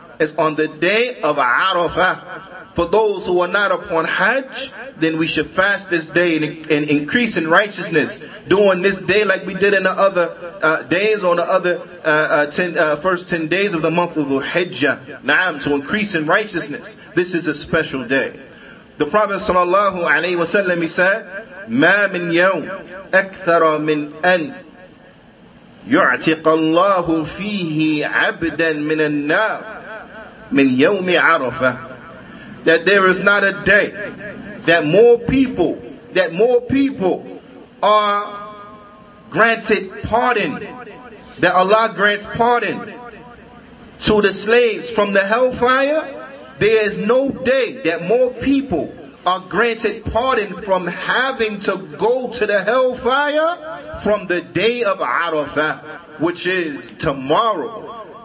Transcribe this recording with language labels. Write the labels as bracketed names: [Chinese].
[English] It's on the day of Arafah. For those who are not upon Hajj, then we should fast this day and increase in righteousness. Doing this day like we did in the other days, on the other first 10 days of the month of Dhul-Hijjah. Na'am, to increase in righteousness. This is a special day. The Prophet sallallahu alayhi wa sallam, he said, [Arabic] مَا مِنْ يَوْمْ أَكْثَرَ مِنْ أَنْ يُعْتِقَ اللَّهُ فِيهِ عَبْدًا مِنَ النَّارِ مِنْ يَوْمِ عَرَفَةٍ. [English] That there is not a day that more people are granted pardon, that Allah grants pardon to the slaves from the hellfire. There is no day that more people are granted pardon from having to go to the hellfire from the day of Arafah, which is tomorrow.